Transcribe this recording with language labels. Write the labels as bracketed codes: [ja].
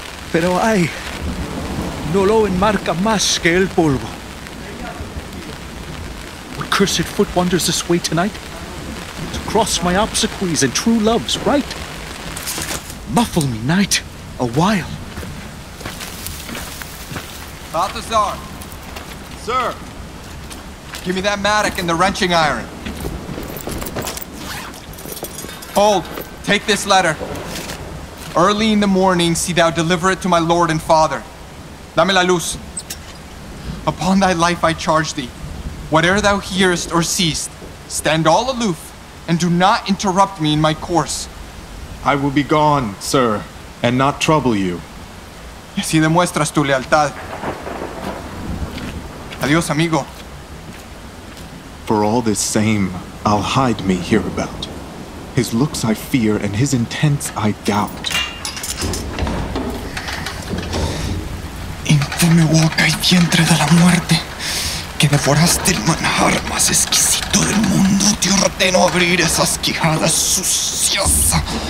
[es] Pero ay, no lo enmarca más que el polvo. [en] What cursed foot wanders this way tonight? To cross my obsequies and true love's right? Muffle me, knight, a while. Balthazar, sir, give me that mattock and the wrenching iron. Hold, take this letter. Early in the morning, see thou deliver it to my lord and father. [es] Dame la luz. [en] Upon thy life I charge thee, whatever thou hearest or seest, stand all aloof and do not interrupt me in my course. I will be gone, sir, and not trouble you. [es] Y así demuestras tu lealtad. Adiós, amigo. [en] For all this same, I'll hide me hereabout. His looks I fear, and his intents I doubt. [es] Infame boca y vientre de la muerte, que devoraste el manjar más exquisito del mundo, te ordeno abrir esas quijadas sucias.